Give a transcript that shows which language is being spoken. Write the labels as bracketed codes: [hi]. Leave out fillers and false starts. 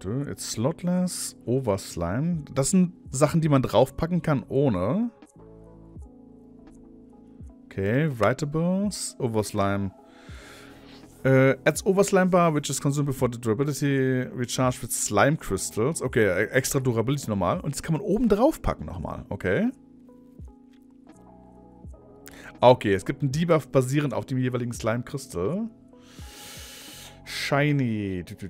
[en] It's Slotless, Overslime. [de] Das sind Sachen, die man draufpacken kann ohne. [en] Okay, Writables, Overslime. Adds Overslime Bar, which is consumed before the durability recharged with Slime Crystals. [de] Okay, extra Durability nochmal. Und das kann man oben draufpacken nochmal. Okay. Okay, es gibt einen Debuff basierend auf dem jeweiligen Slime Crystal. [en] Shiny.